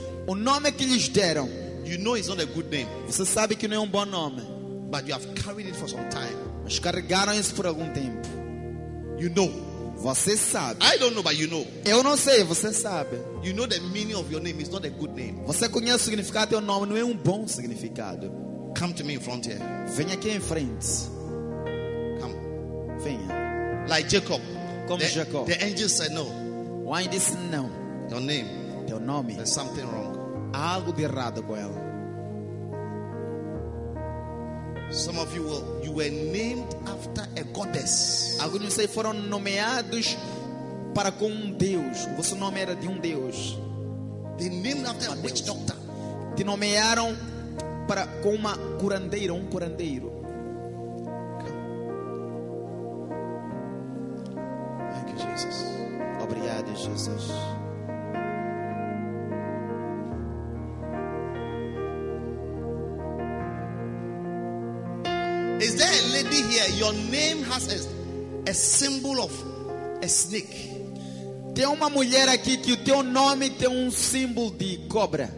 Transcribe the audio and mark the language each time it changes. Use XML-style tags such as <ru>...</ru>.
<pt>O nome que lhes deram.</pt> <en>You know it's not a good name.</en> <pt>Você sabe que não é bom nome.</pt> <en>But you have carried it for some time.</en> <pt>Mas carregaram isso por algum tempo.</pt> <en>You know.</en> <pt>Você sabe.</pt> <en>I don't know, but you know.</en> <pt>Eu não sei, você sabe.</pt> <en>You know the meaning of your name is not a good name.</en> <pt>Você conhece o significado do teu nome, não é bom significado.</pt> <en>Come to me in front here.</en> <pt>Venha aqui em frente.</pt> <en>Come.</en> <pt>Venha.</pt> <en>Like Jacob.</en> <pt>Como</pt> <en>the, Jacob. The angel said no. Why this no? Your name.</en> <pt>Teu nome.</pt> <en>There's something wrong.</en> <pt>Há algo de errado com ela.</pt> <en>Some of you were named after a goddess.</en> <pt>Alguns de vocês foram nomeados para com um deus. O vosso nome era de um deus.</pt> <en>They named after a witch doctor.</en> <pt>Te nomearam para com uma curandeira, um curandeiro.</pt> <en>Thank you, Jesus.</en> <pt>Obrigado, Jesus.</pt> <en>Is there a lady here? Your name has a symbol of a snake.</en> <pt>Tem uma mulher aqui que o teu nome tem símbolo de cobra.</pt>